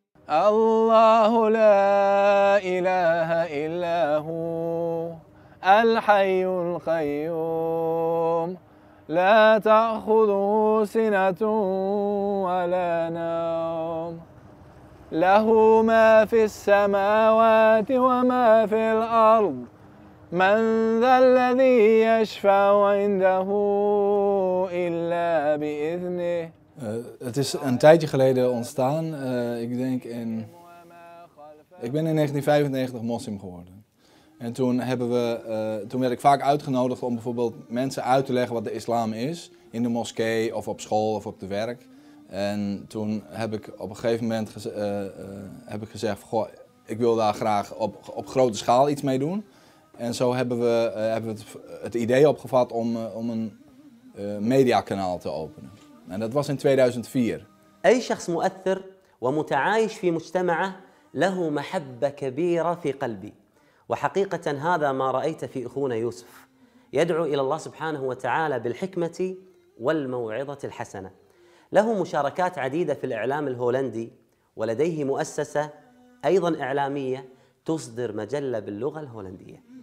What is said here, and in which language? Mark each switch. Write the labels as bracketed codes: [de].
[ar] الله لا إله إلا هو الحي القيوم لا تأخذه سنة ولا نوم له ما في السماوات وما في الأرض من ذا الذي يشفع عنده إلا بإذنه [nl] Het is een tijdje geleden ontstaan. Ik ben in 1995 moslim geworden. En toen toen werd ik vaak uitgenodigd om bijvoorbeeld mensen uit te leggen wat de islam is. In de moskee of op school of op de werk. En toen heb ik op een gegeven moment heb ik gezegd, goh, ik wil daar graag op grote schaal iets mee doen. En zo hebben we het idee opgevat om een mediakanaal te openen. En dat was in 2004. [ar] أي شخص مؤثر ومتعايش في مجتمعه له محبة كبيرة في قلبي. وحقيقة هذا ما رأيت في أخونا يوسف يدعو إلى الله سبحانه وتعالى بالحكمة والموعظة الحسنة. له مشاركات عديدة في الإعلام الهولندي ولديه مؤسسة أيضا إعلامية تصدر مجلة باللغة الهولندية.